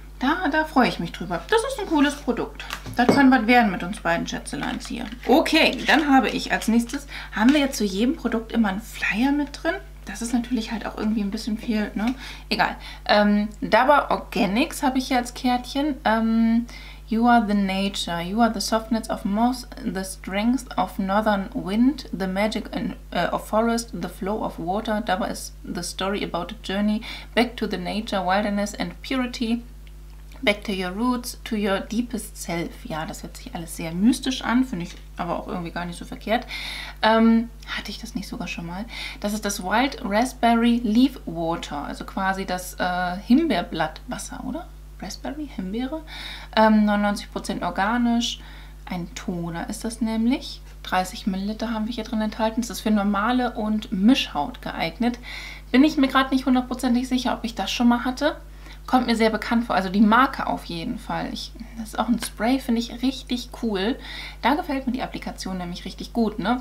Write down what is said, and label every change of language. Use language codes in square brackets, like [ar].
[de] Da freue ich mich drüber. Das ist ein cooles Produkt. Das kann was werden mit uns beiden Schätzeleins hier. Okay, dann habe ich als nächstes, haben wir jetzt zu jedem Produkt immer einen Flyer mit drin? Das ist natürlich halt auch irgendwie ein bisschen viel, ne? Egal. Dabei Organics habe ich hier als Kärtchen. [en] You are the nature, you are the softness of moss, the strength of northern wind, the magic of forest, the flow of water. Dabba is the story about a journey back to the nature, wilderness and purity, back to your roots, to your deepest self. [de] Ja, das hört sich alles sehr mystisch an, finde ich aber auch irgendwie gar nicht so verkehrt. Hatte ich das nicht sogar schon mal? Das ist das Wild Raspberry Leaf Water, also quasi das Himbeerblattwasser, oder? Raspberry, Himbeere, 99% organisch, ein Toner ist das nämlich, 30 ml haben wir hier drin enthalten, das ist für normale und Mischhaut geeignet, bin ich mir gerade nicht hundertprozentig sicher, ob ich das schon mal hatte, kommt mir sehr bekannt vor, also die Marke auf jeden Fall, das ist auch ein Spray, finde ich richtig cool, da gefällt mir die Applikation nämlich richtig gut, ne?